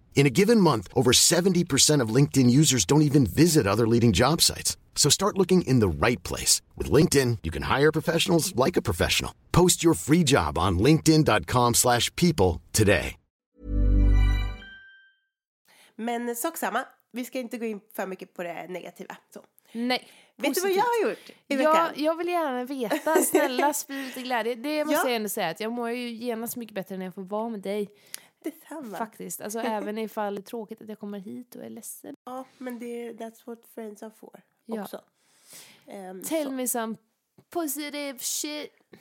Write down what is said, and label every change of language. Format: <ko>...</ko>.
<en>In a given month, over 70% of LinkedIn users don't even visit other leading job sites. So start looking in the right place. With LinkedIn, you can hire professionals like a professional. Post your free job on linkedin.com/people today.</en> <sv>Men sak samma. Vi ska inte gå in för mycket på det negativa. Så. Nej. Vet positivt. Du vad jag har gjort i veckan? Jag vill gärna veta. Snälla, sprid lite glädje. Det måste jag ändå säga. Att jag mår ju genast mycket bättre när jag får vara med dig. Detsamma. Faktiskt. Alltså även ifall det är tråkigt att jag kommer hit och är ledsen. Ja, men det</sv> <en>that's what friends are for.</en> <sv>Ja. Också.</sv> <en>Tell me some positive shit.</en>